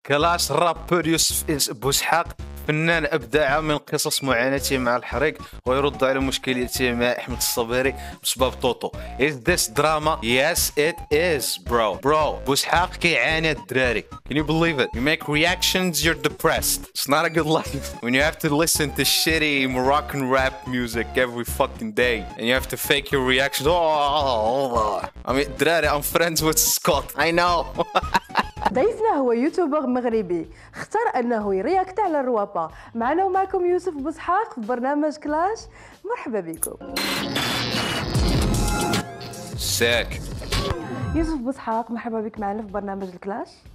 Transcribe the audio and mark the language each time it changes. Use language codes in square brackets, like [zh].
[ar] كلاش رابر يوسف بوسحاق فنان أبدع من قصص معاناته مع الحريق ويرد على مشكلته مع أحمد الصبيري بسبب طوطو. [en] Is this drama? Yes it is bro. [ar] Bro بوسحاق كيعاني الدراري. [en] Can you believe it? You make reactions, you're depressed. It's not a good life. When you have to listen to shitty Moroccan rap music every fucking day and you have to fake your reactions. I mean دراري, I'm friends with Scott. I know. [ar] ضيفنا هو يوتيوبر مغربي اختار انه يرياكت على الروابا. معنا ومعكم يوسف بوسحاق في برنامج كلاش. مرحبا بكم. ساك يوسف بوسحاق, مرحبا بك معنا في برنامج الكلاش.